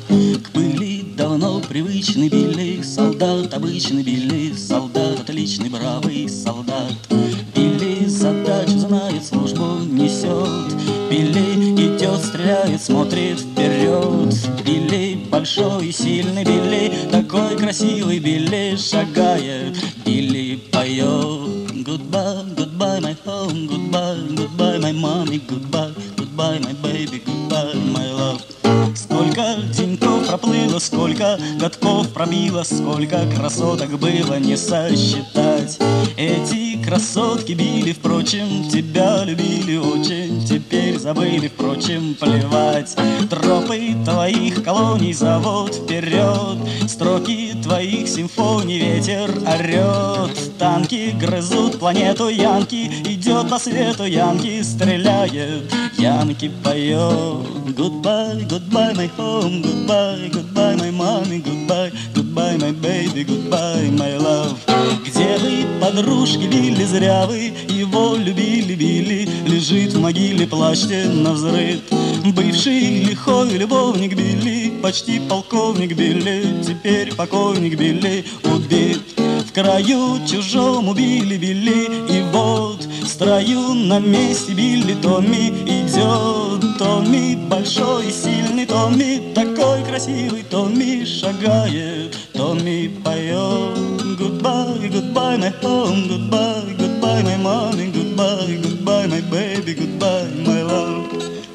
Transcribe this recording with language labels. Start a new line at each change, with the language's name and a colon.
Russian: К пыли давно привычный Билли, солдат обычный Билли, солдат отличный, бравый солдат. Билли задачу знает, службу несет. Билли идет, стреляет, смотрит вперед. Билли большой и сильный Билли, такой красивый Билли шагает. Билли поет.
English: Goodbye, goodbye, my home. Goodbye, goodbye, my mommy. Goodbye, goodbye, my baby. Goodbye, my love.
Russian: Сколько деньков проплыло, сколько годков пробило, сколько красоток было не сосчитать. Эти красотки били, впрочем, тебя любили очень, теперь забыли, впрочем, плевать. Тропы твоих колоний зовут вперед, строки твоих симфоний ветер орет. Танки грызут планету, янки идет по свету, янки стреляет, янки поет.
English: Goodbye, goodbye, my home. Goodbye, goodbye, my money. Goodbye, goodbye, my baby. Goodbye, my love.
Russian: Где вы, подружки, Билли, зря вы его любили, Билли лежит в могиле, плачьте навзрыд. Бывший лихой любовник Билли, почти полковник Билли, теперь покойник Билли убит. В краю чужом убили Билли, и вот в строю на месте Билли Томми идет. Томми большой и сильный, Томми такой красивый, Томми шагает, Томми поет.
English: Goodbye, goodbye, my home. Goodbye, goodbye, my money. Goodbye, goodbye, my baby. Goodbye, my love.